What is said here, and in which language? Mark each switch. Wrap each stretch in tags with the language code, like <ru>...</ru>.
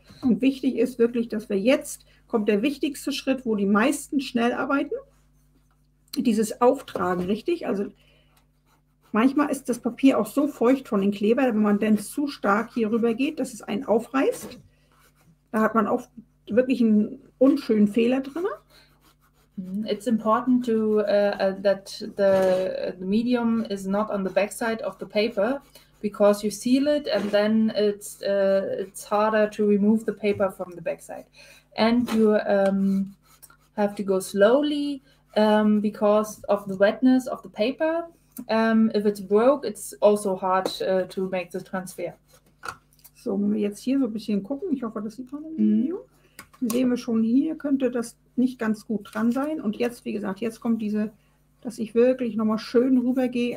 <de>Und wichtig ist wirklich, dass wir jetzt kommt der wichtigste Schritt, wo die meisten schnell arbeiten. Dieses Auftragen, richtig? Also manchmal ist das Papier auch so feucht von den Kleber, wenn man denn zu stark hier rüber geht, dass es einen aufreißt. Da hat man oft wirklich einen unschönen Fehler drin.</de> <en>It's important to that the medium is not on the backside of the paper because you seal it and then it's harder to remove the paper from the backside. And you have to go slowly because of the wetness of the paper. If it's broke, it's also hard to make the transfer.</en> <de>So, wenn wir jetzt hier so ein bisschen gucken, ich hoffe, das sieht man im Video, dann sehen wir schon hier, könnte das nicht ganz gut dran sein. Und jetzt, wie gesagt, jetzt kommt diese, dass ich wirklich nochmal schön rübergehe.</de>